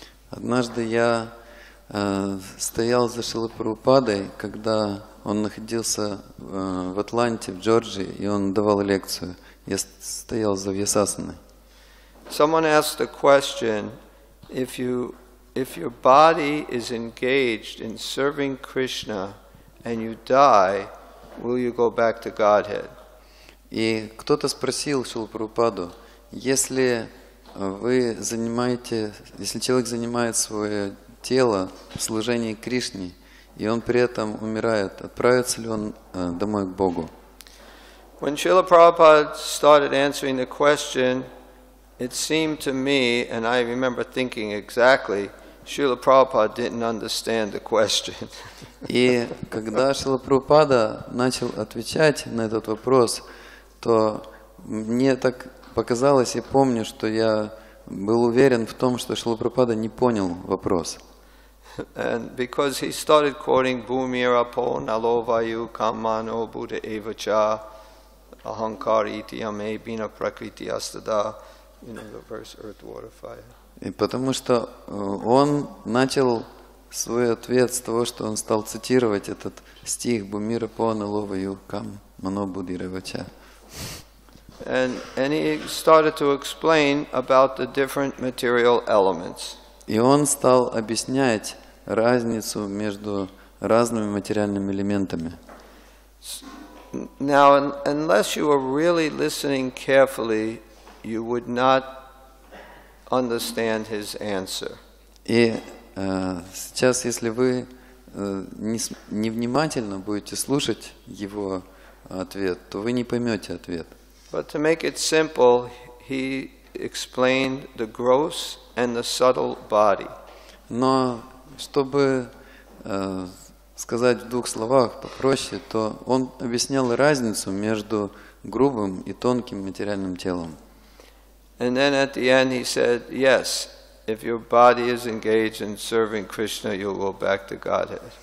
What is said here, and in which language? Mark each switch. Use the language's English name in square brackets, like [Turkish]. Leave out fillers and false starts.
[Russian] Однажды я стоял за Шрилой Прабхупадой, когда он находился в Атланте, в Джорджии, и он давал лекцию. Я стоял за Вьясасаной. [English] Someone asked a question, if your body is engaged in serving Krishna, and you die, will you go back to Godhead? [Russian] И кто-то спросил Шрилу Прабхупаду, если вы занимаете, если человек занимает свое тело в служении Кришне, и он при этом умирает, отправится ли он домой к Богу? [English] When Srila Prabhupada started answering the question, it seemed to me, and I remember thinking exactly, Srila Prabhupada didn't understand the question. [Russian] И когда Шрила Прабхупада начал отвечать на этот вопрос, то мне так показалось, я помню, что я был уверен в том, что Шрила Прабхупада не понял вопрос. [English] And because he started quoting [Sanskrit] Bhumirapo Nalovayu Kamano Buddha Evacha Ahankari Tiyame Bina Prakriti Astada, [English] you know, the verse Earth, Water, Fire. [Russian] И потому что он начал свой ответ с того, что он стал цитировать этот стих [Sanskrit] Бумирапо Налову Кам Манобуди Ревача. [English] And he started to explain about the different material elements. [Russian] И он стал объяснять разницу между разными материальными элементами. [English] Now, unless you are really listening carefully, you would not understand his answer. [Russian] И сейчас, если вы невнимательно будете слушать его ответ, то вы не поймете ответ. [English] But to make it simple, he explained the gross and the subtle body. [Russian] Но чтобы сказать в двух словах попроще, то он объяснял разницу между грубым и тонким материальным телом. [English] And then at the end he said, yes, if your body is engaged in serving Krishna, you'll go back to Godhead.